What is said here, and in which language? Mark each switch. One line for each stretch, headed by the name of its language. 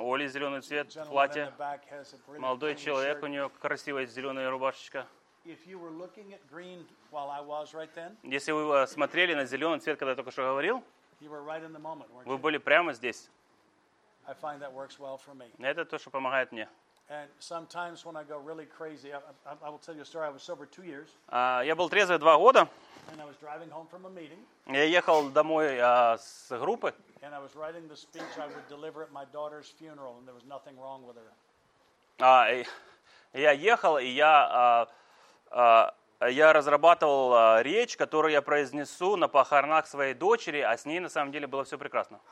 Russian: Оля зеленый цвет в платье. Молодой человек, у нее красивая зеленая рубашечка. Если вы смотрели на зеленый цвет, когда я только что говорил, вы были прямо здесь. Это то, что помогает мне.
English: And sometimes when I go really crazy, I will tell you a story. I was sober 2 years.
Russian: Я был трезвый 2 года.
English: And I was driving home from a meeting.
Russian: Я ехал домой с группы.
English: And I was writing the speech I would deliver at my daughter's funeral, and there was nothing wrong with her.
Russian: Я ехал, и я я разрабатывал речь, которую я произнесу на похоронах своей дочери, а с ней на самом деле было все прекрасно.